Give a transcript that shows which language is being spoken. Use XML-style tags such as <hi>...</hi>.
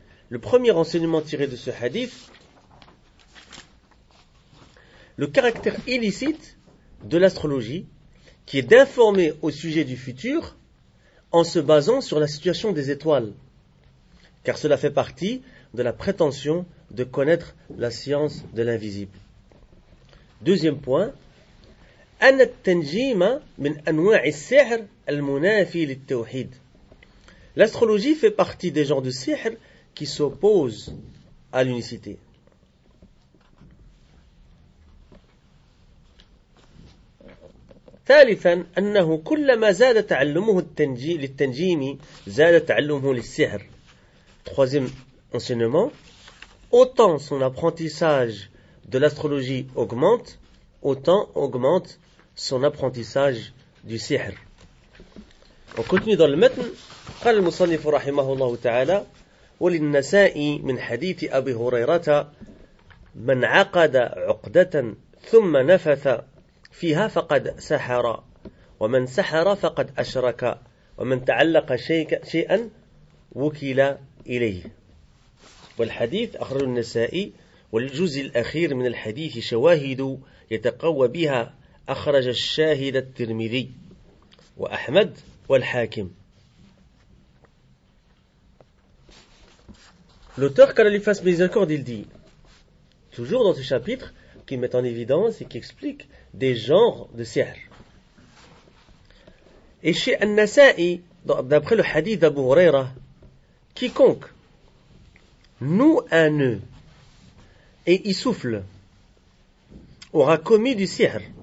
<fr>Le premier enseignement tiré de ce hadith, le caractère illicite de l'astrologie qui est d'informer au sujet du futur en se basant sur la situation des étoiles, car cela fait partie de la prétention de connaître la science de l'invisible. Deuxième point,</fr> <ar>أن التنجيم من أنواع السحر المنافي للتوحيد.</ar> <fr>L'astrologie fait partie des genres de sihr qui s'opposent à l'unicité.</fr> <ar>ثالثاً أنه كلما زاد تعلمه للتنجيم زاد تعلمه للسحر.</ar> <fr>Troisième enseignement, autant son apprentissage de l'astrologie augmente, autant augmente son apprentissage du sihr. On continue dans le matn.</fr> <ar>قال المصنف رحمه الله تعالى وللنسائي من حديث أبي هريرة من عقد عقدة ثم نفث فيها فقد سحر ومن سحر فقد أشرك ومن تعلق شيئا وكل إليه. والحديث أخرج النسائي والجزء الأخير من الحديث شواهد يتقوى بها أخرج الشاهد الترمذي وأحمد والحاكم.</ar> <fr>L'auteur qu'a les faces miséricorde, il dit, toujours dans ce chapitre, qui met en évidence et qui explique des genres de sihr. Et chez An-Nasa'i, d'après le hadith d'Abu Huraira, quiconque noue un nœud et y souffle aura commis du sihr.</fr>